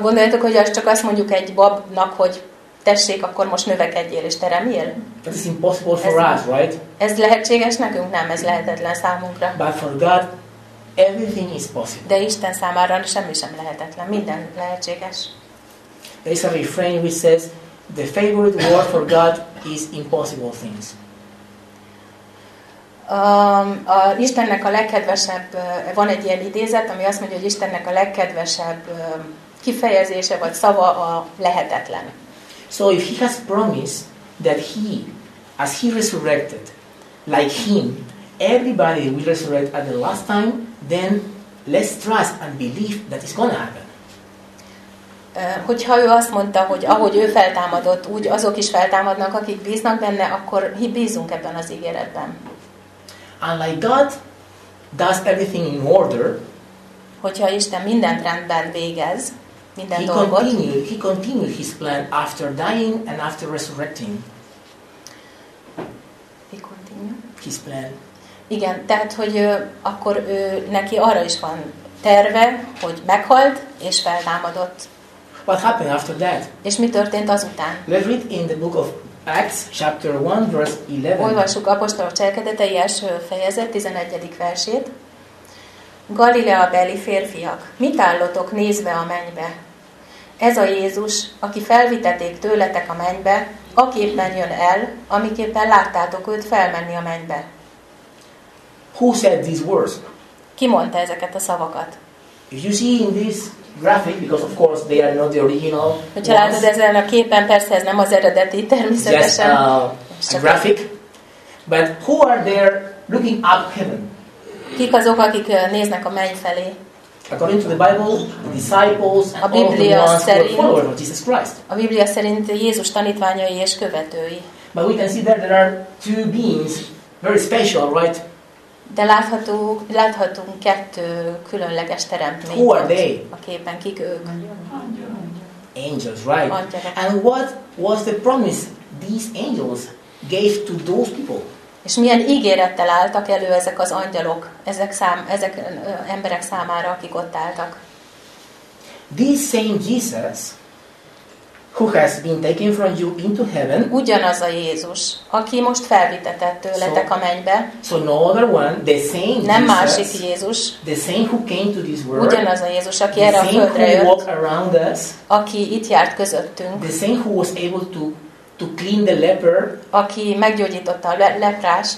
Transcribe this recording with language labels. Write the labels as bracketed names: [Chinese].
[Hungarian] Gondoljátok, hogy az csak azt mondjuk egy babnak, hogy tessék, akkor most növekedjél és teremjél? [English] That is impossible for us, right? [Hungarian] Ez lehetséges nekünk? Nem, ez lehetetlen számunkra. [English] But for God, everything is possible. [Hungarian] De Isten számára semmi sem lehetetlen. Minden lehetséges. [English] There is a refrain which says, the favorite word for God is impossible things. [Hungarian] A Istennek a legkedvesebb, van egy ilyen idézet, ami azt mondja, hogy Istennek a legkedvesebb kifejezése vagy szava a lehetetlen. [English] So if he has promised that he, as he resurrected, like him, everybody will resurrect at the last time, then let's trust and believe that it's going to happen. [Hungarian] Hogyha ő azt mondta, hogy ahogy ő feltámadott, úgy azok is feltámadnak, akik bíznak benne, akkor mi bízunk ebben az ígéretben. [English] Unlike God does everything in order, [Hungarian] hogyha Isten mindent rendben végez, minden dolgot. [English] He continued his plan after dying and after resurrecting. His plan. [Hungarian] Igen, tehát hogy akkor ő neki arra is van terve, hogy meghalt és feltámadott. [English] What happened after that? [Hungarian] És mi történt azután? [English] Let's read in the book of Acts chapter 1 verse 11. [Hungarian] Olvassuk apostolok cselekedetei első fejezet 11. versét. Galilea beli férfiak, mit állotok nézve a mennybe? Ez a Jézus, aki felvitették tőletek a mennybe, aképpen jön el, amiképpen láttátok őt felmenni a mennybe. [English] Who said these words? [Hungarian] Ki mondta ezeket a szavakat? [English] If you see in this graphic, because of course they are not the original. [Hungarian] Hogyha látod ezen a képen, persze ez nem az eredeti, természetesen. [English] Just a graphic. But who are there looking up heaven? [Hungarian] Kik azok, akik néznek a menny felé? [English] According to the Bible, the disciples and all of the ones who are followers of Jesus Christ. [Hungarian] A Biblia szerint Jézus tanítványai és követői. [English] But we can see that there are two beings, very special, right? [Hungarian] De láthatunk kettő különleges teremtményt. [English] Who are they? [Hungarian] A képen kik ők? [English] Angels, right? [Hungarian] Angyarok. [English] And what was the promise these angels gave to those people? [Hungarian] És milyen ígérettel álltak elő ezek az angyalok, ezek emberek számára, akik ott álltak. [English] This same Jesus, who has been taken from you into heaven. [Hungarian] Ugyanaz a Jézus, aki most felvitetett tőletek a mennybe. [English] So no other one, the same [Hungarian] nem [English] Jesus, [Hungarian] másik Jézus. [English] The same who came to this world. [Hungarian] Ugyanaz a Jézus, aki erre a földre jött. [English] Walked around us, [Hungarian] aki itt járt közöttünk. [English] The same who was able to clean the leper, [Hungarian] aki meggyógyította a leprást.